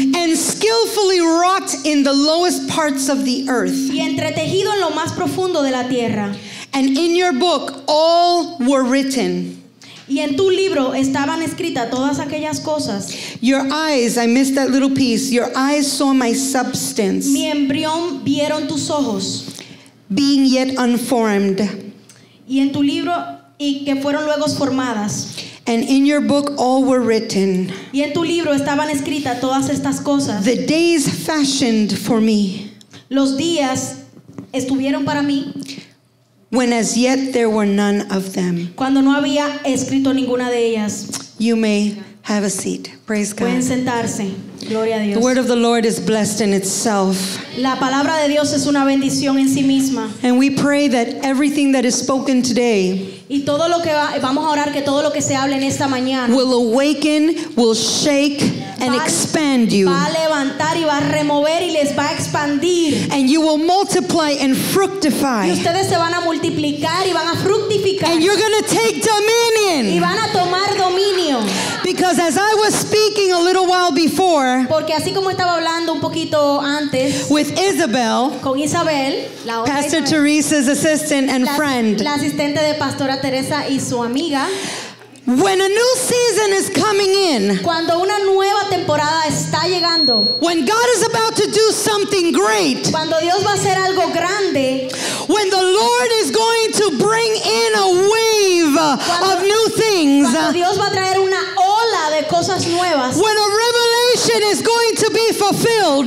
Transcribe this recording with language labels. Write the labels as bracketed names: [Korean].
[English] And skillfully wrought in the lowest parts of the earth. [Spanish] Y entretejido en lo más profundo de la tierra. [English] And in your book all were written. [Spanish] Y en tu libro estaban escritas todas aquellas cosas. [English] Your eyes, I missed that little piece. Your eyes saw my substance. [Spanish] Mi embrión vieron tus ojos. [English] Being yet unformed. [Spanish] Y en tu libro y que fueron luego formadas. [English] And in your book all were written. [Spanish] Y en tu libro estaban escritas todas estas cosas. [English] The days fashioned for me. [Spanish] Los días estuvieron para mí. [English] When as yet there were none of them. [Spanish] Cuando no había escrito ninguna de ellas. [English] You may have a seat. Praise God. [Spanish] Pueden sentarse. Gloria a Dios. [English] The word of the Lord is blessed in itself. [Spanish] La palabra de Dios es una bendición en sí misma. [English] And we pray that everything that is spoken today. [Spanish] Y todo lo que vamos a orar, que todo lo que se hable en esta mañana. [English] Will awaken, will shake, and expand you. [Spanish] Va a levantar y va a remover y les va a expandir. [English] And you will multiply and fructify. [Spanish] Y ustedes se van a multiplicar y van a fructificar. [English] And you're going to take dominion. [Spanish] Y van a tomar dominio. [English] Because as I was speaking a little while before. [Spanish] Porque así como estaba hablando un poquito antes. [English] With Isabel. [Spanish] Con Isabel, la otra [English] Pastor Isabel, Teresa's assistant and friend. [Spanish] La asistente de Pastora Teresa y su amiga. [English] When a new season is coming in, [Spanish] cuando una nueva temporada está llegando, [English] when God is about to do something great, [Spanish] cuando Dios va a hacer algo grande, [English] when the Lord is going to bring in a wave of new things, [Spanish] cuando Dios va a traer una ola de cosas nuevas, [English] when a revelation is going to be fulfilled,